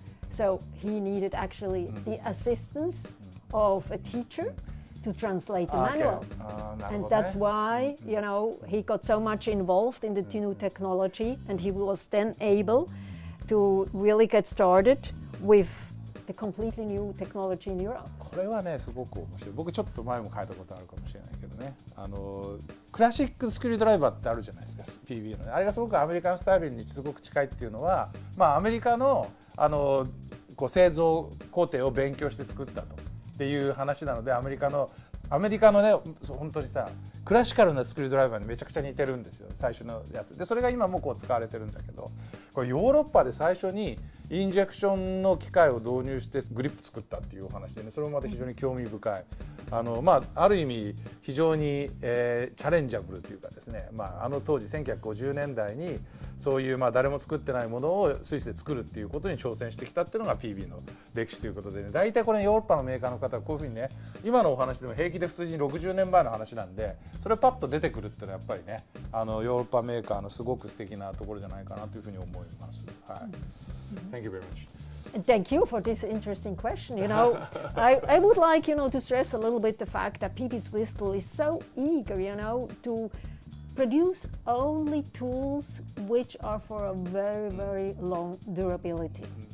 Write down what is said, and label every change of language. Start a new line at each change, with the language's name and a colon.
English: So he needed actually the assistance of a teacher to translate the manual. And that's why, you know, he got so much involved in the new technology, and he was then able to really get started with the completely new technology in Europe.
Japanese: これはね、すごく面白い。僕ちょっと前も書いたことあるかもしれないけどね。クラシックスクリュードライバーってあるじゃないですか、PB のね。あれがすごくアメリカンスタイルにすごく近いっていうのは、まあ、アメリカの、こう製造工程を勉強して作ったとっていう話なので、アメリカのね、本当にさ、クラシカルなスクリュードライバーにめちゃくちゃ似てるんですよ、最初のやつ。で、それが今もこう使われてるんだけど、これヨーロッパで最初にインジェクションの機械を導入してグリップ作ったっていうお話で、ね、それもまた非常に興味深い、まあ、ある意味非常に、チャレンジャブルというかですね、まあ、あの当時1950年代にそういう、まあ、誰も作ってないものをスイスで作るっていうことに挑戦してきたっていうのが PB の歴史ということで、ね、大体これヨーロッパのメーカーの方はこういうふうにね、今のお話でも平気で普通に60年前の話なんで、それパッと出てくるっていうのはやっぱりね、あのヨーロッパメーカーのすごく素敵なところじゃないかなというふうに思います、はい。
English: Thank you very much. Thank you for this interesting question. You know, I would like, you know, to stress a little bit the fact that PB Swistool is so eager, you know, to produce only tools which are for a very, very long durability.